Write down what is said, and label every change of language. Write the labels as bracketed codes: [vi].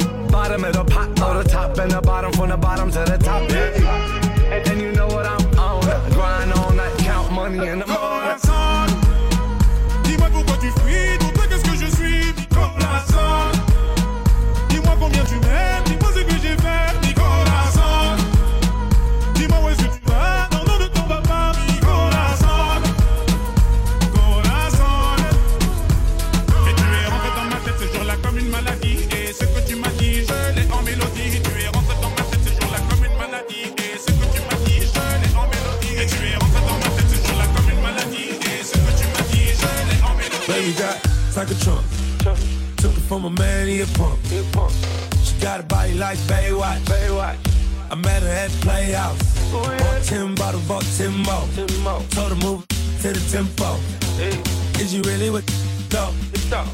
[en] Bottom of the pot, or the top and the bottom, from the bottom to the top. Yeah. And then you know what I'm on. Grind all night, count money in the morning. [fr] Dis-moi pourquoi tu fuis, tout le qu'est-ce que je suis, [es] mi corazon. [fr] Dis-moi combien tu m'aimes, dis-moi ce que j'ai fait, [es] mi corazon. [fr] Dis-moi où est-ce que tu vas, non, non, ne t'en vas pas, [es] mi corazon. [fr] Corazon. Et tu es rentré dans ma tête ce jour-là comme une maladie. Et ce que tu m'as dit, je l'ai en mélodie. Tu es rentré dans ma tête ce jour-là comme une maladie. Et ce que tu m'as dit, je l'ai en mélodie. Et tu es rentré dans ma tête ce jour-là comme une maladie. Et ce que tu m'as dit, je l'ai en mélodie. [en] Baby got like a trunk. Took it from a man, he a punk. She got a body like Baywatch. I met her at Playhouse. Bought 10 bottles, bought 10 more. Told her move to the tempo. Is you really with the dope?